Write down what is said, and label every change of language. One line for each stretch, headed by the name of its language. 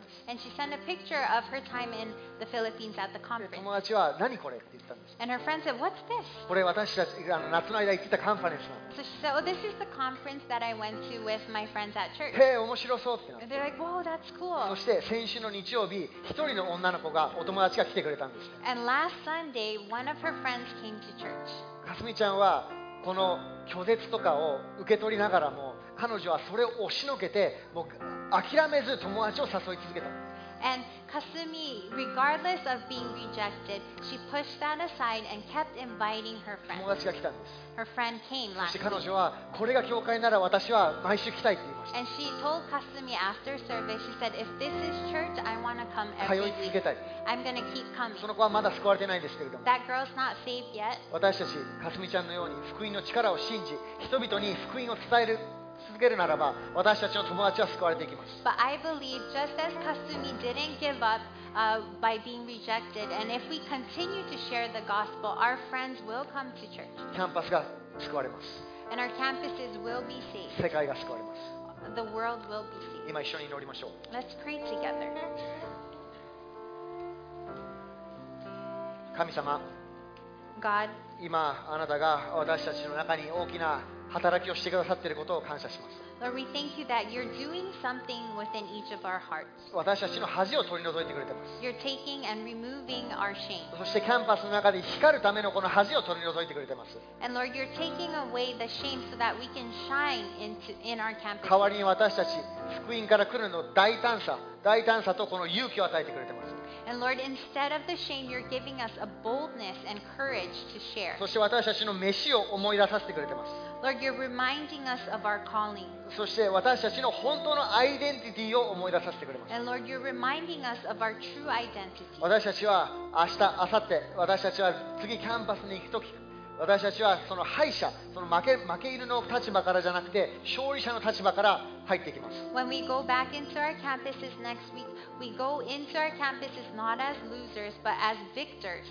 English: And she sent a picture of her time in the Philippines at the conference. And her friend said, "What's this?" So she said, "Oh, this is the conference that I went to with my friends at church." They're like, "Whoa, that's cool."
Japanese: そして先週の日曜日、一人の女の子がお友達が来てくれたんです。
English: And last Sunday, one of her friends came to church.
Japanese: かすみちゃんはこの拒絶とかを受け取りながらも、彼女はそれを押しのけて、もう諦めず友達を誘い続けた。
English: And Kasumi, regardless of being rejected, she pushed that aside and kept inviting her friend.
Japanese: 友達が来たんです。
English: Her friend came last week.
Japanese: そして彼女はこれが教会なら私は毎週来たいって言いました。
English: And she told Kasumi after service, she said, "If this is church, I want to come every week."
Japanese: 通い続けたい。
English: I'm going to keep coming.
Japanese: その子はまだ救われてないんですけれども。
English: That girl's not saved yet.
Japanese: 私たち、Kasumi ちゃんのように福音の力を信じ、人々に福音を伝える。続けるならば私たちの友達は救われていきます。
English: But I believe just as Kasumi didn't give up by being rejected, and if we continue to share the gospel, our friends will come to church.
Japanese: キャンパスが救われます。
English: And our campuses will be saved.
Japanese: 世界が救われます。
English: The world will be saved.
Japanese: 今一緒に祈りましょう。
English: Let's pray together.
Japanese: 神様、
English: God,
Japanese: 今あなたが私たちの中に大きな働きをしてくださっていることを感謝します。
English: Lord, we thank you that you're doing something within each of our hearts.
Japanese: 私たちの恥を取り除いてくれています。
English: You're taking and removing our shame.
Japanese: そしてキャンパスの中で光るためのこの恥を取り除いてくれています。
English: And Lord, you're taking away the shame so that we can shine in our campus.
Japanese: 代わりに私たち福音から来るの大胆さ、大胆さとこの勇気を与えてくれています。
English: And Lord, instead of the shame, you're giving us a boldness and courage to share.
Japanese: そして私たちの召しを思い出させてくれています。
English: Lord, you're reminding us of our calling.
Japanese: そして私たちの本当のアイデンティティを思い出させてくれます。
English: And Lord, you're reminding us of our true identity.
Japanese: 私たちは明日、明後日、私たちは次キャンパスに行くとき、私たちはその敗者、その負け犬の立場からじゃなくて、勝利者の立場から入っていきます。
English: When we go back into our campuses next week, we go into our campuses not as losers, but as victors.